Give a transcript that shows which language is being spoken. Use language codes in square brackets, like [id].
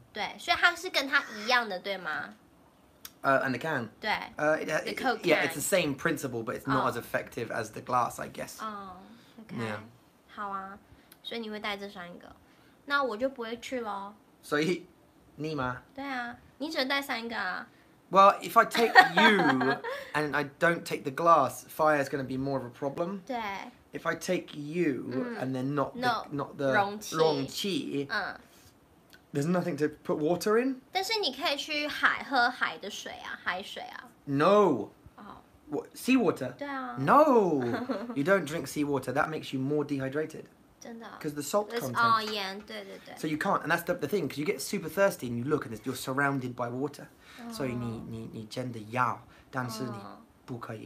[zh] 对，所以它是跟它一样的，对吗？ [en] And the can. [zh] 对 [en] The Coke can. Yeah, it's the same principle, but it's not as effective as the glass, I guess. Okay. Yeah. [zh] 好啊，所以你会带这三个，那我就不会去咯。所以，你吗？对啊，你只能带三个啊。 [en] Well, if I take you and I don't take the glass, fire is going to be more of a problem. [zh] 对。 [en] If I take you and then not the 容器。 There's nothing to put water in. [zh] 但是你可以去海喝海的水啊，海水啊。 [en] No. Sea water. [zh] 对啊。 [en] No. You don't drink sea water. That makes you more dehydrated. [zh] 真的。 [en] Because the salt content. [zh] 盐，对对对。 [en] So you can't, and that's the thing, because you get super thirsty and you look and you're surrounded by water. [zh] 所以你真的要，但是你不可以。